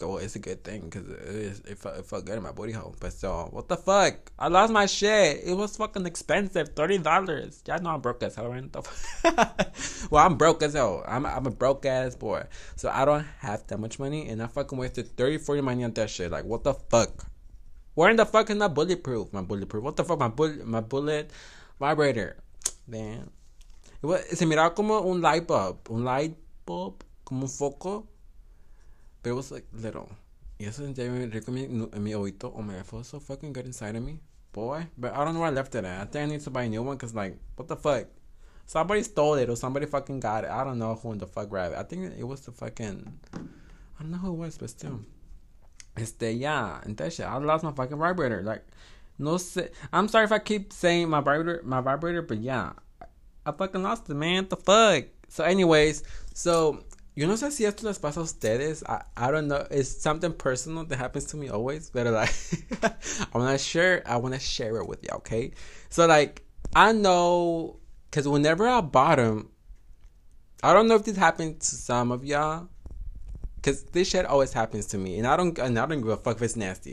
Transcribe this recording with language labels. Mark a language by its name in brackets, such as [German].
[English] Well, it's a good thing, because it felt good in my booty hole, but so, what the fuck, I lost my shit, it was fucking expensive, $30, y'all know I'm broke as hell, right? Well, I'm broke as hell, I'm a broke ass boy, so I don't have that much money, and I fucking wasted $30-$40 money on that shit, like, what the fuck, where in the fuck is my bulletproof, what the fuck, my bullet vibrator, damn. [Spanish] Se miraba como un [English] light bulb, [Spanish] como un foco, pero [English] it was like little. [Spanish] Y eso sentía en mi oído. [English] Oh my God, it felt so fucking good inside of me, boy. But I don't know where I left it at. I think I need to buy a new one, because like, what the fuck? Somebody stole it, or somebody fucking got it. I don't know who in the fuck grabbed it. I think it was the fucking, I don't know who it was, but still. Yeah, and that shit, I lost my fucking vibrator. Like, [Spanish] no sé. [English] I'm sorry if I keep saying my vibrator, but yeah. I fucking lost it, man. The fuck? So, anyways. [Spanish] So, yo no sé si esto les pasa a ustedes. [English] I don't know. It's something personal that happens to me always. But, like, I want to share it with y'all, okay? So, like, I know. Because whenever I bottom, I don't know if this happened to some of y'all. Because this shit always happens to me. And I don't give a fuck if it's nasty.